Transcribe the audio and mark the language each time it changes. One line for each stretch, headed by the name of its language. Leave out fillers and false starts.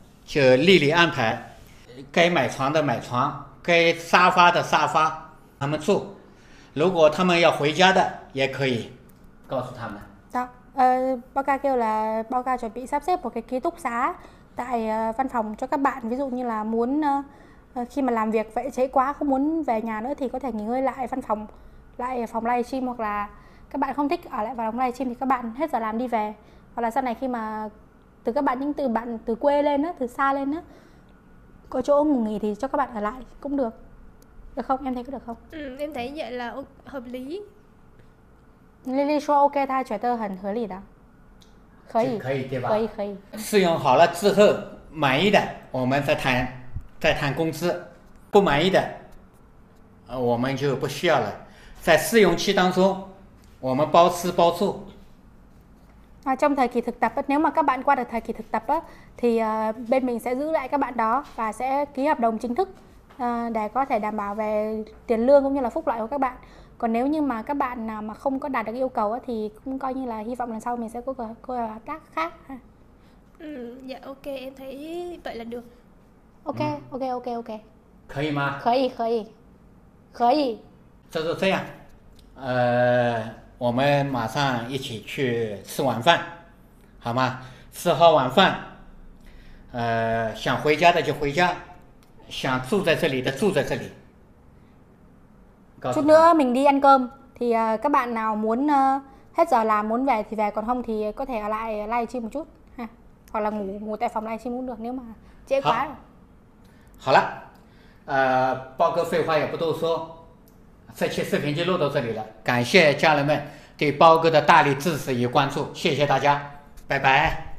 Chinese: 就莉莉安排，该买床的买床，该沙发的沙发，他们住。如果他们要回家的，也可以告诉他们。好，报告叫了，报告准备
Vietnamese: sắp xếp một cái ký túc xá tại văn phòng cho các bạn. Ví dụ như là muốn khi mà làm việc vậy chế quá không muốn về nhà nữa thì có thể nghỉ ngơi lại văn phòng, lại phòng live stream hoặc là các bạn không thích ở lại vào phòng live stream thì các bạn hết giờ làm đi về. Hoặc là sau này khi mà từ các bạn, những từ bạn từ quê lên á, từ xa lên á, có chỗ ngủ nghỉ thì cho các bạn ở lại cũng được, được không? Em thấy có được không? Ừ, em thấy vậy là hợp lý. Lily sure ok, ta chuyển tơ hẳn hợp lý đó. Có thể, có thể.
Chinese: 试用好了之后满意的，我们再谈工资。不满意的，我们就不需要了。在试用期当中，我们包吃包住。
Vietnamese: À, trong thời kỳ thực tập, nếu mà các bạn qua được thời kỳ thực tập thì bên mình sẽ giữ lại các bạn đó và sẽ ký hợp đồng chính thức để có thể đảm bảo về tiền lương cũng như là phúc lợi của các bạn. Còn nếu như mà các bạn nào mà không có đạt được yêu cầu thì cũng coi như là hy vọng lần sau mình sẽ có cơ hội hợp tác khác. Dạ, ok, em thấy vậy là được. Ok, ok, ok, ok. Có thể mà? Có thể, có thể. Có thể. Thế rồi,
Chinese: 我们马上一起去吃晚饭，好吗？吃好晚饭，想回家的就回家，想住在这里的住在这里。
Vietnamese: Chút nữa mình đi ăn cơm, thì các bạn nào muốn hết giờ làm muốn về thì về, còn không thì có thể ở lại live stream một chút, ha. Hoặc là ngủ tại phòng live stream cũng được nếu mà trễ quá.
Chinese: 好了，包哥废话也不多说。这期视频就录到这里了，感谢家人们对包哥的大力支持与关注，谢谢大家，拜拜，